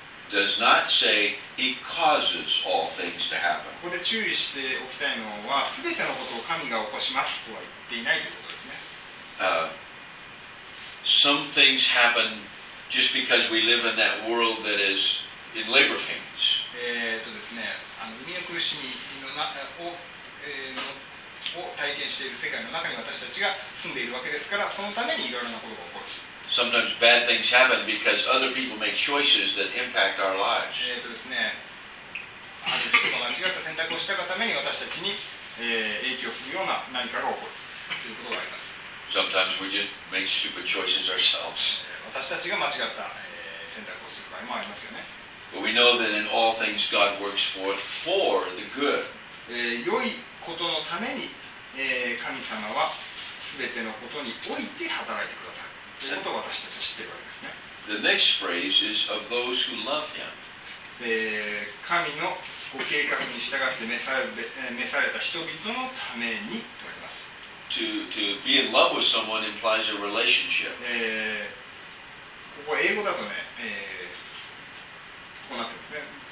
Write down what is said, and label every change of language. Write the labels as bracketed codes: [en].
[en] does not say he causes all things to happen. [ja] ここで注意しておきたいのは、すべてのことを神が起こしますとは言っていないということですね。 [en] Some things happen just because we live in that world that is in labor pains. [ja] ですね、あの海の苦しみのな、を、を体験している世界の中に私たちが住んでいるわけですから、そのためにいろいろなことが起こる。 [en] Sometimes bad things happen because other people make choices that impact our lives. [ja] ですね、ある人が間違った選択をしたがために私たちに、影響するような何かが起こるということがあります。 [en] Sometimes we just make stupid choices ourselves. [ja] 私たちが間違った、選択をする場合もありますよね。 [en] But we know that in all things God works for the good. [ja] 良いことのために、神様は全てのことにおいて働いてくださる。ということを私たちは知っているわけですね。 [en] The next phrase is of those who love him. [ja] 神のご計画に従って召された人々のためにとあります。 [en] To be in love with someone implies a relationship. [ja] ここ英語だとね、こうなってますね。